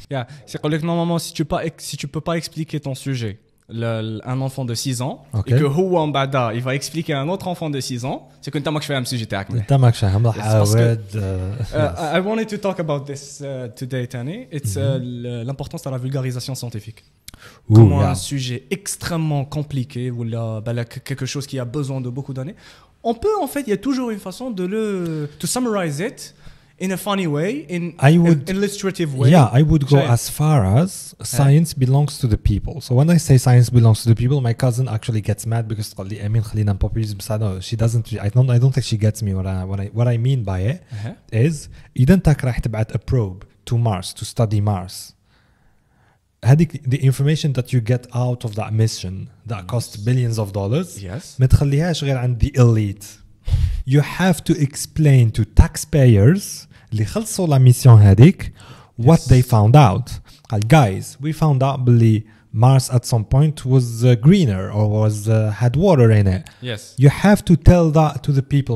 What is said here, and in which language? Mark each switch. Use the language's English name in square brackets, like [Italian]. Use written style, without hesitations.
[French] Yeah, c'est que normalement, si tu peux pas expliquer ton sujet, un enfant de 6 ans, [English] okay. [French] Et que Houan Bada, il va expliquer à un autre enfant de 6 ans, c'est que t'as fait un sujet avec moi. T'as fait un sujet. [English] I wanted to talk about this today, Tani. It's [French] l'importance de la vulgarisation scientifique. Ooh, comment [English] yeah. [French] Un sujet extrêmement compliqué ou quelque chose qui a besoin de beaucoup d'années, on peut en fait, il y a toujours une façon de le [English] to summarize it in a funny way, in an illustrative way. Yeah, I would go as far as science belongs to the people. So when I say science belongs to the people, my cousin actually gets mad because [Arabic] قال لي أمين خلينا نpopulism سادة. [English] She doesn't. I don't think she gets me what I mean by it is you don't take a probe to Mars to study Mars. The information that you get out of that mission that costs billions of dollars. Yes. [Arabic] ما تخليهاش غير عند [English] the elite. You have to explain to taxpayers [Arabic] اللي خلصوا [French] la mission [Arabic] هذيك [English] what they found out. Guys, we found out [Arabic] بلي [English] Mars at some point was greener or was had water in it. Yes. You have to tell that to the people.